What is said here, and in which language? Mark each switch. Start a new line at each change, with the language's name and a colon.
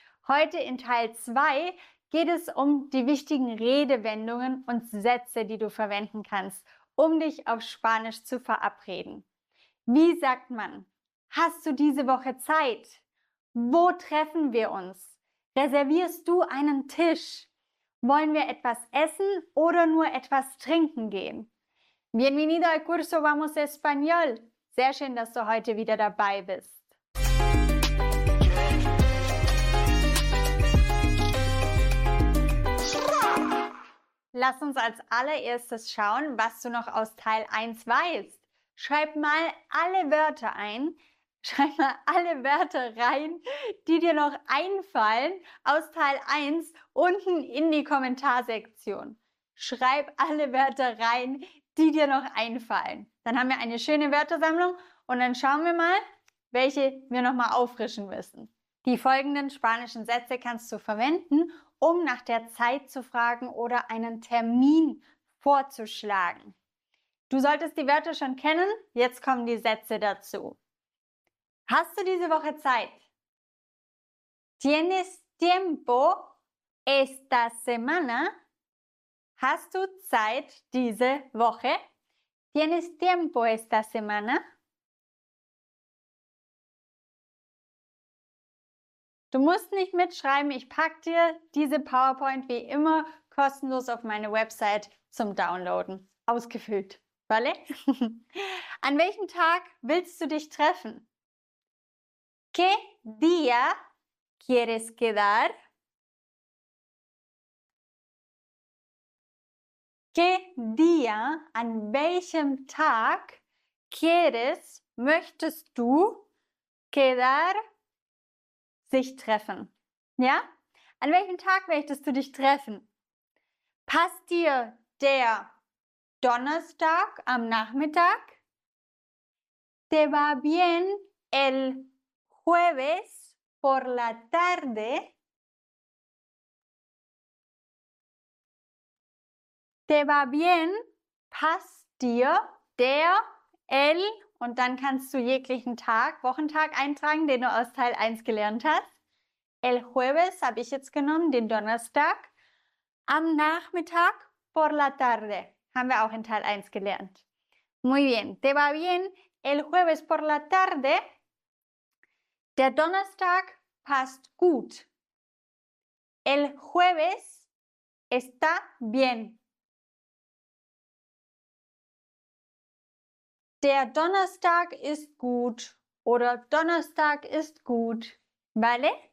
German: Heute in Teil 2 geht es um die wichtigen Redewendungen und Sätze, die du verwenden kannst, um dich auf Spanisch zu verabreden. Wie sagt man, hast du diese Woche Zeit? Wo treffen wir uns? Reservierst du einen Tisch? Wollen wir etwas essen oder nur etwas trinken gehen?
Spanish: Bienvenido al curso Vamos Español.
German: Sehr schön, dass du heute wieder dabei bist. Lass uns als allererstes schauen, was du noch aus Teil 1 weißt. Schreib mal alle Wörter rein, die dir noch einfallen aus Teil 1 unten in die Kommentarsektion. Schreib alle Wörter rein, die dir noch einfallen. Dann haben wir eine schöne Wörtersammlung und dann schauen wir mal, welche wir noch mal auffrischen müssen. Die folgenden spanischen Sätze kannst du verwenden, um nach der Zeit zu fragen oder einen Termin vorzuschlagen. Du solltest die Wörter schon kennen, jetzt kommen die Sätze dazu. Hast du diese Woche Zeit?
Spanish: ¿Tienes tiempo esta semana?
German: Hast du Zeit diese Woche?
Spanish: ¿Tienes tiempo esta semana?
German: Du musst nicht mitschreiben, ich packe dir diese PowerPoint wie immer kostenlos auf meine Website zum Downloaden. Ausgefüllt, vale? An welchem Tag willst du dich treffen?
Spanish: ¿Qué día quieres quedar? ¿Qué día,
German: an welchem Tag,
Spanish: quieres,
German: möchtest du,
Spanish: quedar,
German: sich treffen? Ja? An welchem Tag möchtest du dich treffen? Passt dir der Donnerstag am Nachmittag?
Spanish: ¿Te va bien el jueves por la tarde? ¿Te va bien?
German: Passt dir der, el, und dann kannst du jeglichen Tag, Wochentag eintragen, den du aus Teil 1 gelernt hast.
Spanish: El jueves
German: habe ich jetzt genommen, den Donnerstag. Am Nachmittag,
Spanish: por la tarde,
German: haben wir auch in Teil 1 gelernt.
Spanish: Muy bien. ¿Te va bien el jueves por la tarde?
German: Der Donnerstag passt gut.
Spanish: El jueves está bien.
German: Der Donnerstag ist gut oder Donnerstag ist gut. Vale?